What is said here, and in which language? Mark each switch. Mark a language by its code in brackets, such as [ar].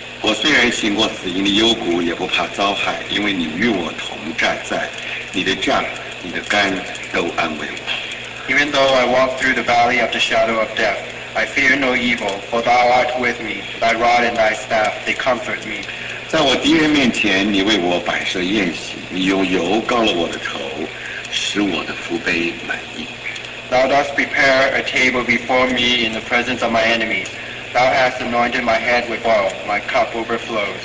[zh] 我虽然行过死荫的幽谷，也不怕遭害，因为你与我同在，你的杖、你的竿都安慰我。 [en] Even though I walk through the valley of the shadow of death, I fear no evil, for thou art with me. Thy rod and thy staff, they comfort me. [zh] 在我敌人面前，你为我摆设宴席，你用油膏了我的头，使我的福杯满溢。 [en] Thou dost prepare a table before me in the presence of my enemies. Thou hast anointed my head with oil, my cup overflows.